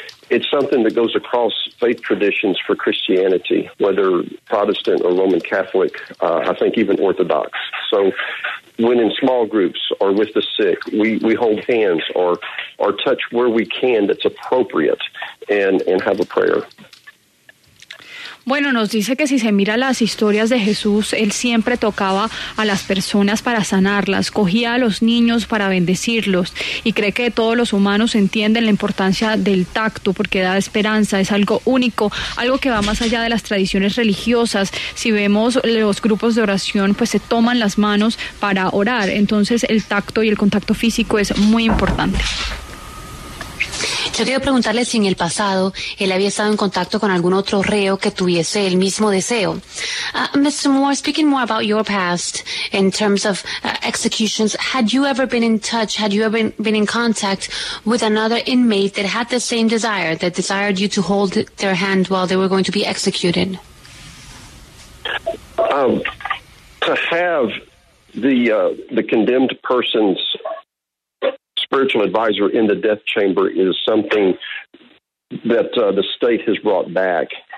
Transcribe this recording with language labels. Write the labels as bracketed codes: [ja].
[en] It's something that goes across faith traditions for Christianity, whether Protestant or Roman Catholic, I think even Orthodox. So when in small groups or with the sick, we hold hands or touch where we can that's appropriate and have a prayer. [es] Bueno, nos dice que si se mira las historias de Jesús, él siempre tocaba a las personas para sanarlas, cogía a los niños para bendecirlos, y cree que todos los humanos entienden la importancia del tacto, porque da esperanza, es algo único, algo que va más allá de las tradiciones religiosas. Si vemos los grupos de oración, pues se toman las manos para orar, entonces el tacto y el contacto físico es muy importante. Yo quiero preguntarle si en el pasado él había estado en contacto con algún otro reo que tuviese el mismo deseo. [en] Mr. Moore, speaking more about your past in terms of executions, had you ever been in touch, had you ever been in contact with another inmate that had the same desire, that desired you to hold their hand while they were going to be executed? To have the condemned person's spiritual advisor in the death chamber is something that the state has brought back.